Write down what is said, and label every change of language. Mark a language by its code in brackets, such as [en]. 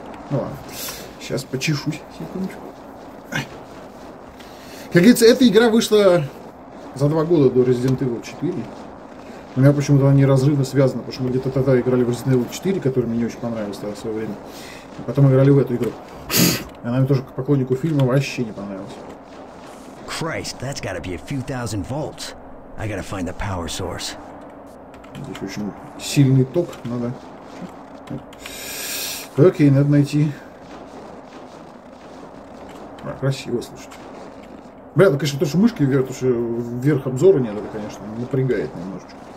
[ru] Ну ладно. Сейчас почешусь. Секундочку. Как говорится, эта игра вышла за 2 года до Resident Evil 4. У меня почему-то она неразрывно связана, потому что мы где-то тогда играли в Resident Evil 4, которая мне не очень понравилась тогда в свое время. И потом играли в эту игру. Она мне тоже к поклоннику фильма вообще не понравилась. [en] Christ, that's gotta be a few thousand volts. I gotta find the power source. [ru] Здесь очень сильный ток, надо. Окей, надо найти. А, красиво, слушайте. Бля, ну конечно, то, что мышки вверх, то, что вверх обзора нет, это, конечно, напрягает немножечко.